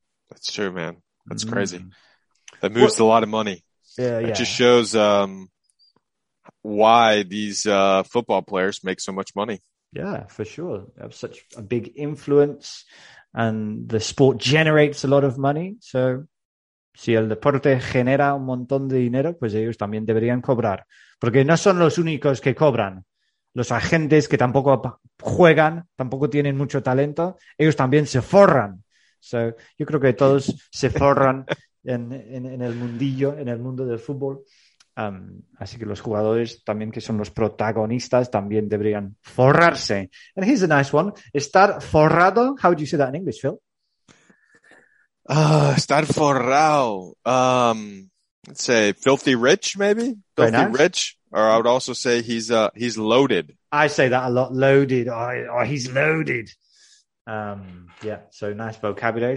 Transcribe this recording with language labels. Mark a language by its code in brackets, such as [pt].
[en] That's true, man. That's crazy. That moves a lot of money. Yeah. It just shows, why these football players make so much money. Yeah, for sure. They have such a big influence and the sport generates a lot of money. [es] So si el deporte genera un montón de dinero, pues ellos también deberían cobrar. Porque no son los únicos que cobran. Los agentes que tampoco juegan, tampoco tienen mucho talento, ellos también se forran. So yo creo que todos se forran en el mundillo, en el mundo del fútbol. Así que los jugadores también que son los protagonistas también deberían forrarse. [en] And here's a nice one. [es] Estar forrado. [en] How would you say that in English, Phil? [es] Estar forrado. [en] Let's say filthy rich, maybe. Very filthy nice. Rich. Or I would also say he's loaded. I say that a lot. Loaded. Oh, he's loaded. Yeah, so nice vocabulary.